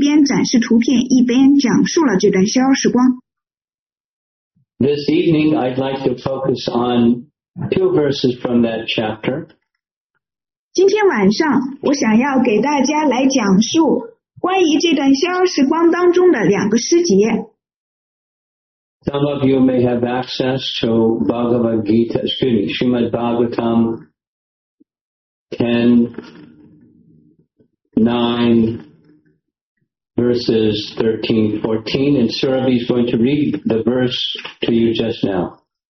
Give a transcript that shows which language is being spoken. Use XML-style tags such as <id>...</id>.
<zh>在给中国奉献者上课的前两节课程关于Damodar Lila逍遥时光的两节课堂当中，我们用图片给大家一边展示图片，一边讲述了这段逍遥时光。</zh> <en>This evening, I'd like to focus on two verses from that chapter.</en> <zh>今天晚上我想要给大家来讲述关于这段逍遥时光当中的两个诗节。</zh> <en>Some of you may have access to Bhagavad Gita, excuse me, Srimad Bhagavatam 10:9, verses 13-14, and Surabhi is going to read the verse to you just now.</en>